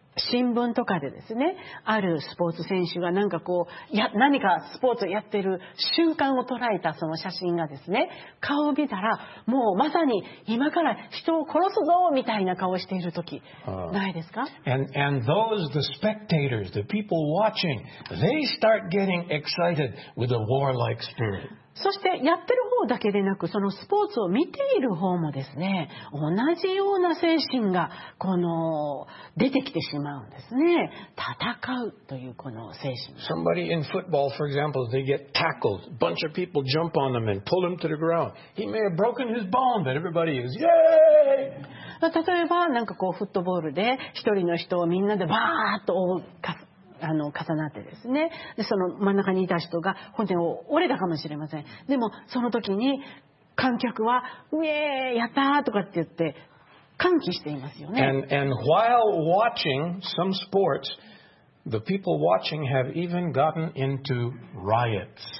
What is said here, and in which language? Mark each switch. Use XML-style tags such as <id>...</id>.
<ja>新聞とかでですね、あるスポーツ選手が何かこう、何かスポーツをやってる瞬間を捉えたその写真がですね、顔を見たら、もうまさに今から人を殺すぞみたいな顔をしているとき、ないですか？</ja> <en>And those, the spectators, the people watching, they start getting excited with a warlike spirit.</en> <ja>そしてやってる方だけでなく、そのスポーツを見ている方もですね、同じような精神がこの出てきてしまうんですね。戦うというこの精神。</ja> <en>Somebody in football, for example, they get tackled. Bunch of people jump on them and pull them to the ground. He may have broken his bone, but everybody is, yay!</en> <ja>例えば、なんかこうフットボールで一人の人をみんなでバーッと追うか。重なってですね、でその真ん中にいた人が骨を折れたかもしれません。でもその時に観客はウェーやったーとかって言って歓喜していますよね。</ja> <en>And while watching some sports, the people watching have even gotten into riots.</en>